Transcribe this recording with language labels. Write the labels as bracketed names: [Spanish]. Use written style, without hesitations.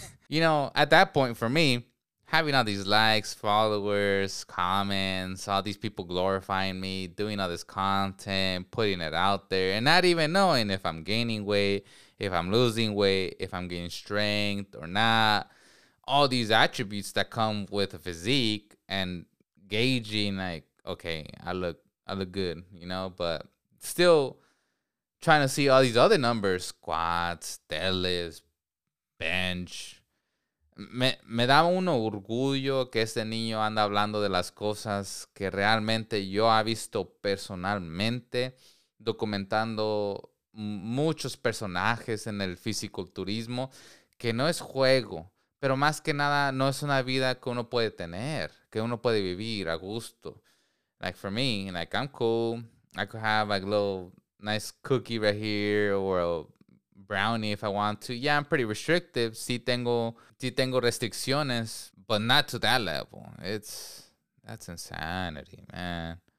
[English] You know, at that point for me, having all these likes, followers, comments, all these people glorifying me, doing all this content, putting it out there, and not even knowing if I'm gaining weight, if I'm losing weight, if I'm gaining strength or not. All these attributes that come with a physique and gauging, like, okay, I look good, you know, but still... trying to see all these other numbers, squats, deadlifts, bench. [Spanish] Me da uno orgullo que este niño anda hablando de las cosas que realmente yo ha visto personalmente, documentando muchos personajes en el fisiculturismo, que no es juego, pero más que nada no es una vida que uno puede tener, que uno puede vivir a gusto. [English] Like for me, like I'm cool, I could have a little... nice cookie right here, or a brownie if I want to. Yeah, I'm pretty restrictive. [Spanish] Sí tengo restricciones, [English] but not to that level. That's insanity, man.